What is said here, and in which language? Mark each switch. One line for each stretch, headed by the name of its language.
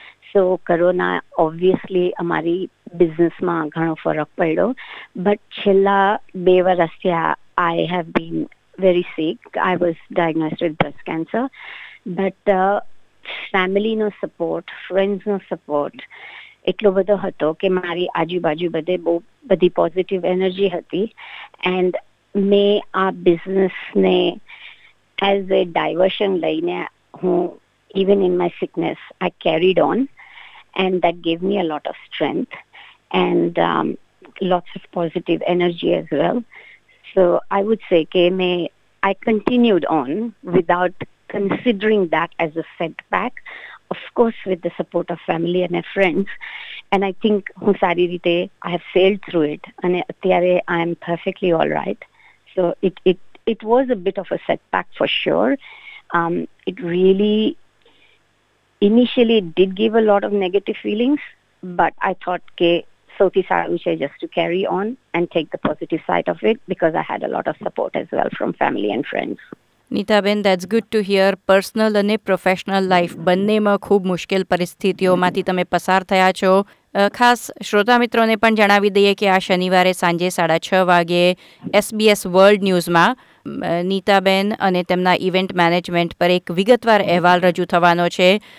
English: so corona obviously
Gujarati: અમારી બિઝનેસમાં ઘણો ફરક પડ્યો,
English: but
Gujarati: છેલ્લા 2 વર્ષથી
English: I have been very sick, I was diagnosed with breast cancer, but ફેમિલીનો support, ફ્રેન્ડ્સનો support
Gujarati: એટલો બધો હતો કે મારી આજુબાજુ બધે બહુ બધી
English: positive energy હતી, and
Gujarati: મેં આ બિઝનેસને
English: as a diversion
Gujarati: લઈને હું
English: Even in my sickness I carried on, and that gave me a lot of strength and lots of positive energy as well. So I would say
Gujarati: કે મેં
English: I continued on without considering that as a setback, of course with the support of family and friends, and I think
Gujarati: hu sari rite
English: I have sailed through it
Gujarati: ane atyare
English: I am perfectly all right. So it was a bit of a setback for sure. It really initially did give a lot of negative feelings, but I thought
Gujarati: ke sauthi saru che
English: just to carry on and take the positive side of it, because I had a lot of support as well from family and friends. Nitaben, that's good to hear.
Gujarati: Personal અને professional life બંનેમાં ખૂબ મુશ્કેલ પરિસ્થિતિઓમાંથી તમે પસાર થયા છો. ખાસ શ્રોતા મિત્રોને પણ જણાવી દઈએ કે આ શનિવારે સાંજે 6:30 વાગે SBS વર્લ્ડ ન્યૂઝમાં નીતાબેન અને તેમના ઇવેન્ટ મેનેજમેન્ટ પર એક વિગતવાર અહેવાલ રજૂ થવાનો છે.